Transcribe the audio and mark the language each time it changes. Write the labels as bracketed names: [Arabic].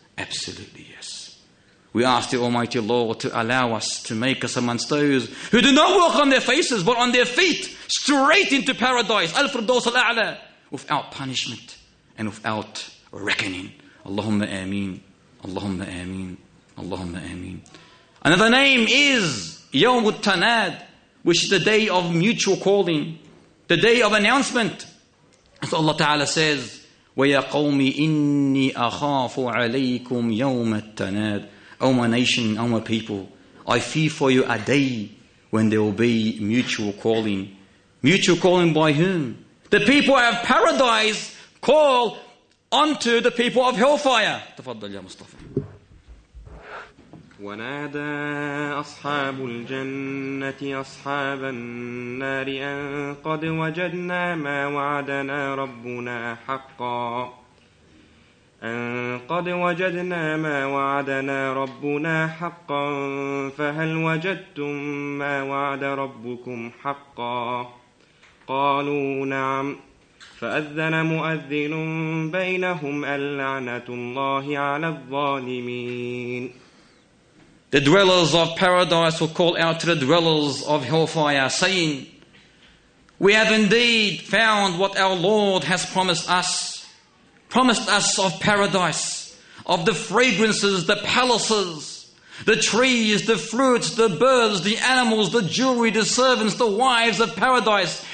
[English] Absolutely yes. We ask the Almighty Lord to allow us to make us amongst those who do not walk on their faces but on their feet straight into paradise, al-Firdaws al-A'la, without punishment and without reckoning. Allahumma ameen. Allahumma ameen. Allahumma ameen. Another name is Yawm al-Tanad, which is the day of mutual calling, the day of announcement. So Allah Ta'ala says, [Arabic] وَيَا قَوْمِ إِنِّي أَخَافُ عَلَيْكُمْ يَوْمَ التَّنَادِ. [English] O my nation, O my people, I fear for you a day when there will be mutual calling. Mutual calling by whom? The people of paradise call unto the people of hellfire. [Arabic] Tafaddal ya Mustafa. ونادى أصحاب الجنة أصحاب النار أن قد وجدنا ما وعدنا ربنا حقا أن قد وجدنا ما وعدنا ربنا حقا فهل وجدتم ما وعد ربكم حقا قالوا نعم فأذن مؤذن بينهم اللعنة الله على الظالمين. [English] The dwellers of paradise will call out to the dwellers of hellfire, saying, We have indeed found what our Lord has promised us of paradise, of the fragrances, the palaces, the trees, the fruits, the birds, the animals, the jewelry, the servants, the wives of paradise.